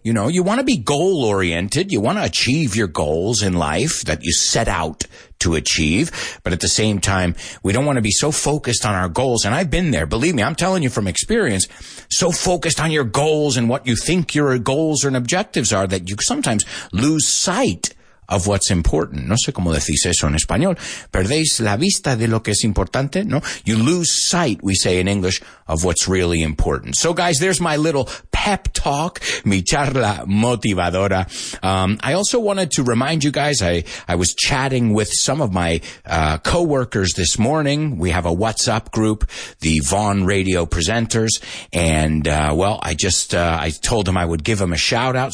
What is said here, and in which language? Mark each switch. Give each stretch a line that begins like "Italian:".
English: You know, you want to be goal oriented. You want to achieve your goals in life that you set out to achieve. But at the same time, we don't want to be so focused on our goals. And I've been there. Believe me, I'm telling you from experience, so focused on your goals and what you think your goals and objectives are that you sometimes lose sight of what's important.
Spanish: No sé cómo decís eso en español. Perdéis la vista de lo que es importante, no?
English: You lose sight, we say in English, of what's really important. So guys, there's my little pep talk,
Spanish: mi charla motivadora.
English: I also wanted to remind you guys, I was chatting with some of my coworkers this morning. We have a WhatsApp group, the Vaughn Radio Presenters, and I told them I would give them a shout out.